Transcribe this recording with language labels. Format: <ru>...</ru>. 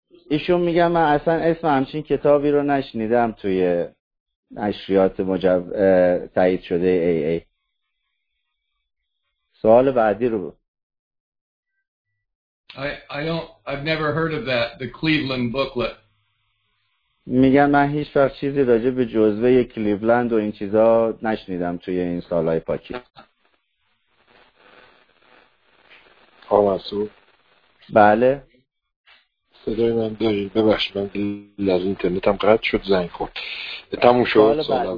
<fa>ایشون میگه من اصلا اسم همچین کتابی رو نشنیدم توی نشریات تایید شده AA. سوال بعدی رو.</fa> <en>I've never heard of that, the Cleveland booklet.</en> <fa>میگم من هیچ وقت چیزی راجع به جزوه کلیولند و این چیزا نشنیدم توی این سالهای پاکی. آمسو. بله. صدای من داری. ببخش من دلیل از اینترنت هم قطع شد زنگ خورد. تموم شد سوال</fa>